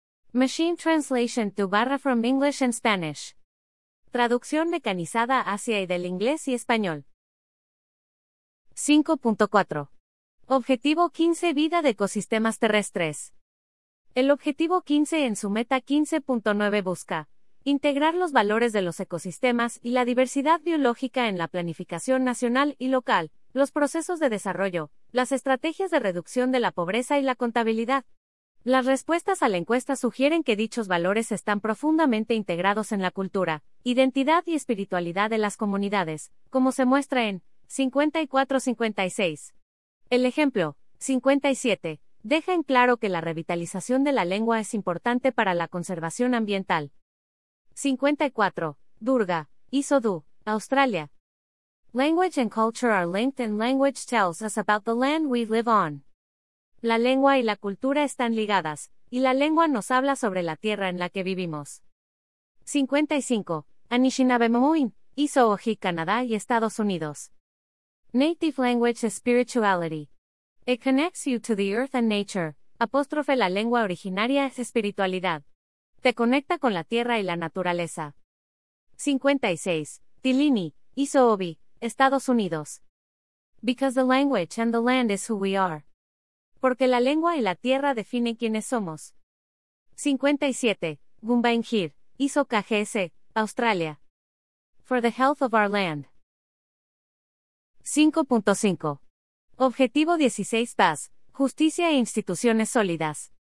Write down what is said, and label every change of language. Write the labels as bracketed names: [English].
[English] Machine translation to barra from English and Spanish. [Spanish] Traducción mecanizada hacia y del inglés y español. 5.4. Objetivo 15: vida de ecosistemas terrestres. El objetivo 15 en su meta 15.9 busca integrar los valores de los ecosistemas y la diversidad biológica en la planificación nacional y local, los procesos de desarrollo, las estrategias de reducción de la pobreza y la contabilidad. Las respuestas a la encuesta sugieren que dichos valores están profundamente integrados en la cultura, identidad y espiritualidad de las comunidades, como se muestra en 54-56. El ejemplo, 57, deja en claro que la revitalización de la lengua es importante para la conservación ambiental. 54. Durga, ISODU, Australia. [English] Language and culture are linked and language tells us about the land we live on. [Spanish] La lengua y la cultura están ligadas, y la lengua nos habla sobre la tierra en la que vivimos. 55. Anishinaabemowin, ISO OJI, Canadá y Estados Unidos. [English] Native language is spirituality. It connects you to the earth and nature. [Spanish] Apóstrofe la lengua originaria es espiritualidad. Te conecta con la tierra y la naturaleza. 56. Tilini, ISO OBI, Estados Unidos. [English] Because the language and the land is who we are. [Spanish] Porque la lengua y la tierra definen quiénes somos. 57. Gumbangir, ISO KGS, Australia. [English] For the health of our land. 5.5. [Spanish] Objetivo 16: paz, justicia e instituciones sólidas.